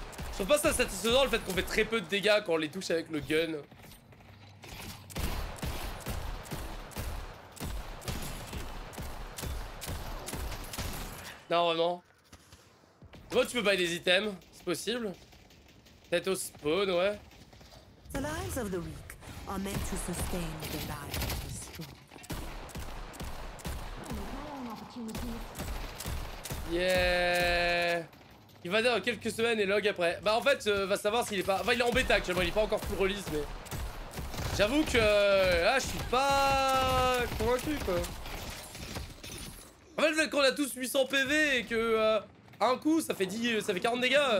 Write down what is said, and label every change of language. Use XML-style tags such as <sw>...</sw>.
<fr>Je trouve pas ça satisfaisant le fait qu'on fait très peu de dégâts quand on les touche avec le gun. Non, vraiment. Moi, tu peux pas des items, c'est possible. Peut-être au spawn, ouais.</fr> <en>The lives of the weak are meant to sustain the lives of the strong. Yeah.</en> <fr>Il va dire quelques semaines et log après. Bah en fait, va savoir s'il est pas... Enfin, il est en bêta actuellement, il est pas encore full release, mais... J'avoue que... Ah, je suis pas... convaincu, quoi. En fait, le fait qu'on a tous 800 PV et que... un coup, ça fait 10... ça fait 40 dégâts.</fr>